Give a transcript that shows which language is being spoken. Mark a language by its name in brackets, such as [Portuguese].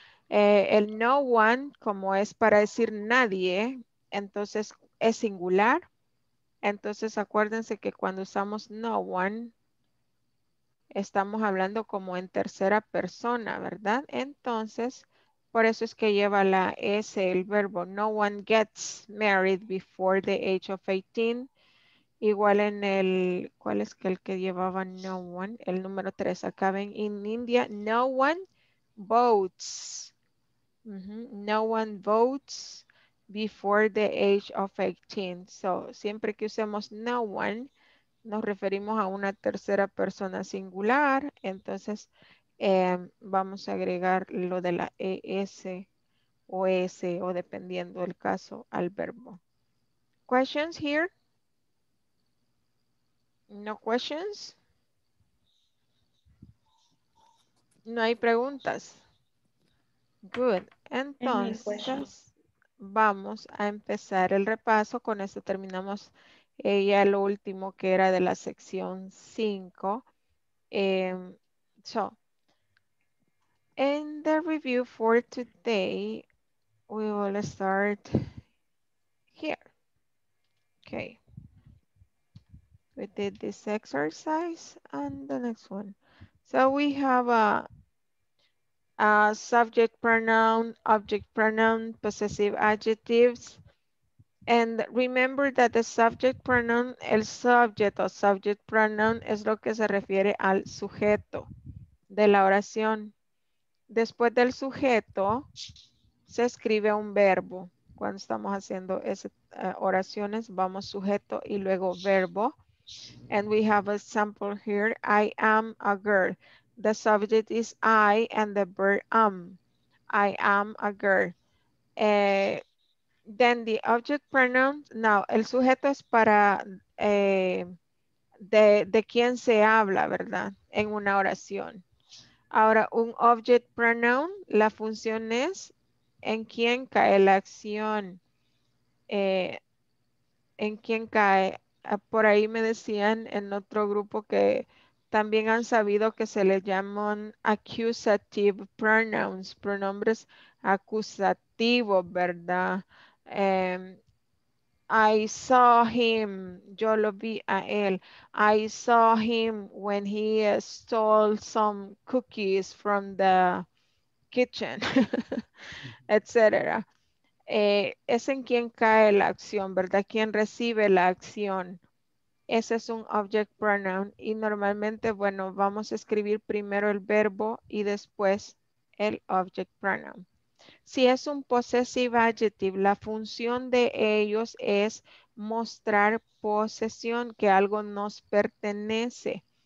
[Spanish] El no one, como es para decir nadie, entonces es singular. Entonces acuérdense que cuando usamos no one, estamos hablando como en tercera persona, ¿verdad? Entonces, por eso es que lleva la S, el verbo. [English] No one gets married before the age of 18. [Spanish] Igual en el, ¿cuál es el que llevaba no one? El número 3. Acá ven, [English] in India, no one votes. No one votes before the age of 18. [Spanish] So, siempre que usemos no one, nos referimos a una tercera persona singular. Entonces, vamos a agregar lo de la ES o S o dependiendo el caso al verbo. [English] Questions here? No questions? [Spanish] No hay preguntas. Good. Entonces, vamos a empezar el repaso. Con esto terminamos ya lo último que era de la sección 5. [English] In the review for today, we will start here. Okay. We did this exercise and the next one. So we have a subject pronoun, object pronoun, possessive adjectives. And remember that the subject pronoun, [Spanish] el subject o subject pronoun, es lo que se refiere al sujeto de la oración. Después del sujeto, se escribe un verbo. Cuando estamos haciendo oraciones, vamos sujeto y luego verbo. [English] And we have a sample here. I am a girl. The subject is I and the verb am. I am a girl. Then the object pronoun. [Spanish] Now, el sujeto es para de quién se habla, ¿verdad? En una oración. Ahora, un object pronoun, la función es en quién cae la acción. En quién cae. Por ahí me decían en otro grupo que también han sabido que se le llaman accusative pronouns, pronombres acusativos, ¿verdad? [English] I saw him, [Spanish] yo lo vi a él. [English] I saw him when he stole some cookies from the kitchen, etc. [Spanish] Es en quien cae la acción, ¿verdad? ¿Quién recibe la acción? Ese es un object pronoun y normalmente, bueno, vamos a escribir primero el verbo y después el object pronoun. Si es un possessive adjective, la función de ellos es mostrar posesión, que algo nos pertenece.